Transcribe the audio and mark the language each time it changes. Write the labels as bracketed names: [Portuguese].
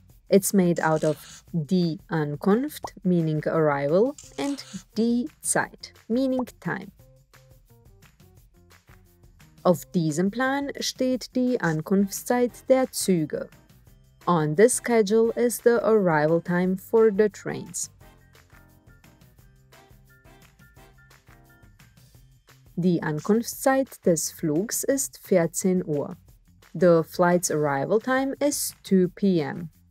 [English] It's made out of die Ankunft, meaning arrival, and die Zeit, meaning time. [German] Auf diesem Plan steht die Ankunftszeit der Züge. [English] On this schedule is the arrival time for the trains. [German] Die Ankunftszeit des Flugs ist 14 Uhr. [English] The flight's arrival time is 2 p.m.